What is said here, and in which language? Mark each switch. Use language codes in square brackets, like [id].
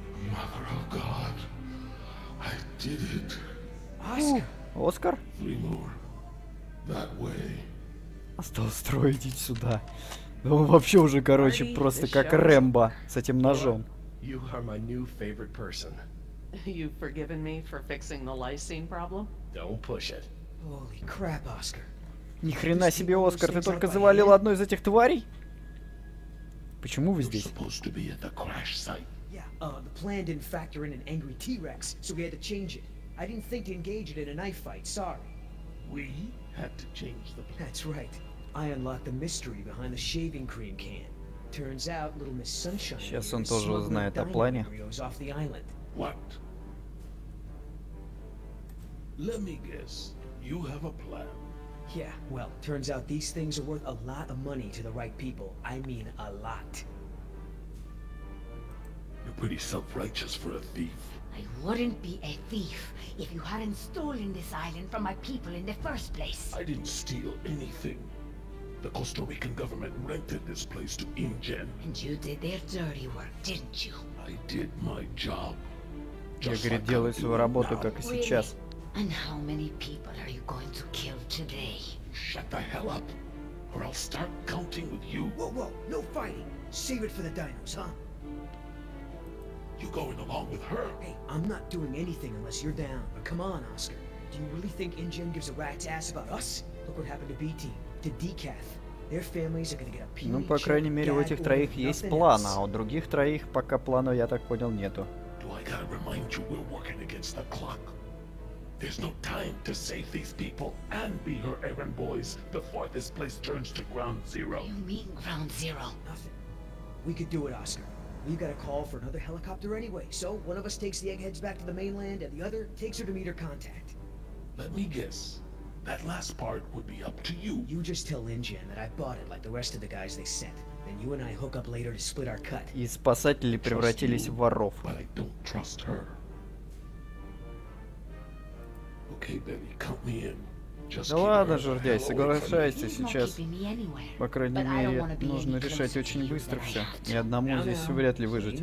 [en] Mother of God. I did it. [ru] Оскар? [en] Three more. That way. [ru] Осталось трое, идите сюда. Да он вообще уже, короче, Marty, просто как Рэмбо с этим ножом. [en] You are my new favorite person. You've forgiven me for fixing the lysine problem? Don't push it. Holy crap, Oscar. [ru] Ни хрена себе, Оскар, ты только завалил одну из этих тварей? Почему вы здесь? Сейчас он тоже узнает о плане. [en] What? Let me guess, you have a plan. Yeah, well, turns out these things are worth a lot of money to the right people. I mean, a lot. You're pretty self-righteous for a thief. I wouldn't be a thief if you hadn't stolen this island from my people in the first place. I didn't steal anything. The Costa Rican government rented this place to InGen. And you did their dirty work, didn't you? I did my job. [ru] Я, говорит, делаю свою работу, как и сейчас. [en] And how many people are you going to kill today? Shut the hell up, or I'll start counting with you. Whoa, whoa, no fighting. Save it for the dinos, huh? You going along with her? Hey, I'm not doing anything unless you're down. But come on, Oscar. Do you really think InGen gives a rat's ass about us? Look what happened to B-Team, to Decath. Their families are gonna get a PH. [ru] Ну, по крайней мере, у этих троих есть план, а у других троих пока плана, я так понял, нету. [en] Do I gotta remind you we're working against the clock? There's no time to save these people and be her errand boys before this place turns to ground zero. You mean ground zero? Nothing. We could do it, Oscar. We've got a call for another helicopter anyway, so one of us takes the eggheads back to the mainland and the other takes her to meet her contact. Let me guess. That last part would be up to you. You just tell InGen that I bought it like the rest of the guys they sent. Then you and I hook up later to split our cut. [ru] И спасатели превратились в воров. [en] But I don't trust her. Okay, baby, count me in. [ru] Да ладно, жердяй, соглашайся сейчас. По крайней мере, нужно решать очень быстро все. И одному здесь вряд ли выжить.